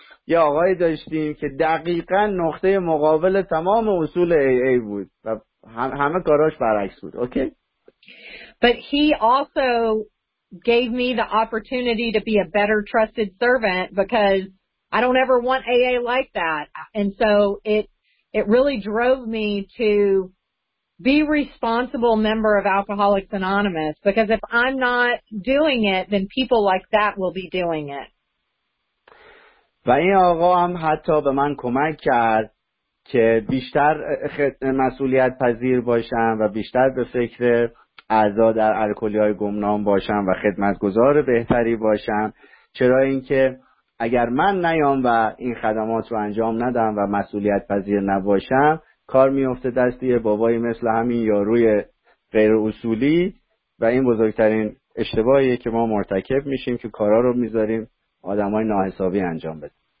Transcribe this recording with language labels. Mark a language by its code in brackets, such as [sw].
[fa] یا آقای داشتیم که دقیقاً نقطه مقابل تمام اصول AA بود و همه کاراش برعکس بود. [en] Okay. But he also gave me the opportunity to be a better trusted servant because I don't ever want AA like that. And so it really drove me to be responsible member of Alcoholics Anonymous because if I'm not doing it, then people like that will be doing it. [fa] و این آقا هم حتی به من کمک کرد که بیشتر مسئولیت پذیر باشم و بیشتر به فکر اعضا در الکلی‌های گمنام باشم و خدمتگزار بهتری باشم. چرا اینکه اگر من نیام و این خدمات رو انجام ندم و مسئولیت پذیر نباشم، کار میفته دست یه بابایی مثل همین یاروی غیر اصولی و این بزرگترین اشتباهیه که ما مرتکب میشیم که کارا رو میذاریم آدمای ناحسابی انجام بده.